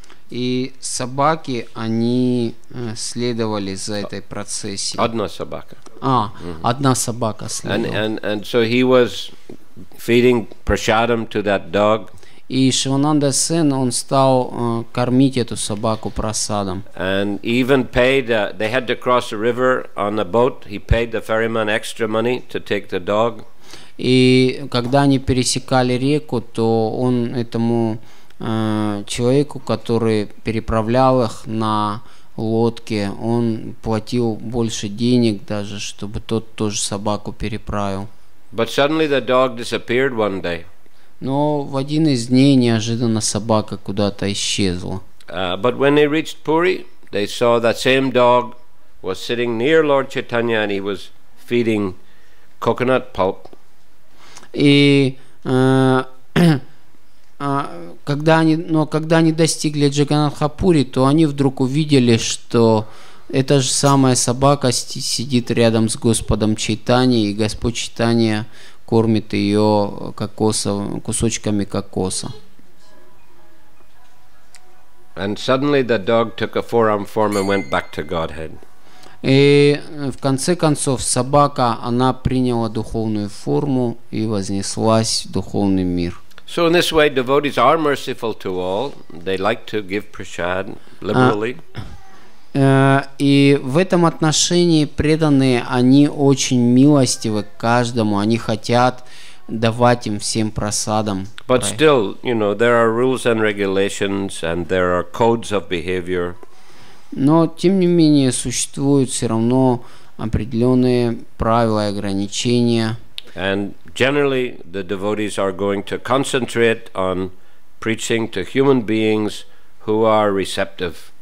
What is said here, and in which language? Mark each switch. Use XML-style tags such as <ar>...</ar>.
<ru>И собаки, они следовали за этой процессией. Одна собака. Одна собака следовала.</ru> <en>And so he was feeding prasadam to that dog.</en> <ru>И Шивананда Сен, он стал кормить эту собаку прасадом.</ru> <en>And even paid, they had to cross the river on a boat. He paid the ferryman extra money to take the dog.</en> <ru>И когда они пересекали реку, то он этому человеку, который переправлял их на лодке, он платил больше денег даже, чтобы тот тоже собаку переправил.</ru> <en>But suddenly the dog disappeared one day.</en> <ru>Но в один из дней неожиданно собака куда-то исчезла.</ru> <en>But when they reached Puri, they saw that same dog was sitting near Lord Chaitanya and he was feeding coconut pulp.</en> <ru>И когда они достигли Джаганнатхапури, то они вдруг увидели, что эта же самая собака сидит рядом с Господом Чайтани, и Господь Чайтанья кормит ее кусочками кокоса.</ru> <en>And suddenly the dog took a forearm form and went back to Godhead.</en> <ru>И в конце концов собака, она приняла духовную форму и вознеслась в духовный мир.</ru> <en>So in this way devotees are merciful to all. They like to give prasad liberally.</en> <ru>И в этом отношении преданные, они очень милостивы к каждому, они хотят давать им всем прасадам.</ru> <en>But still, you know, there are rules and regulations and there are codes of behavior.</en> <ru>Но тем не менее существуют все равно определенные правила и ограничения.</ru> <en>And generally the devotees are going to concentrate on preaching to human beings who are receptive.</en>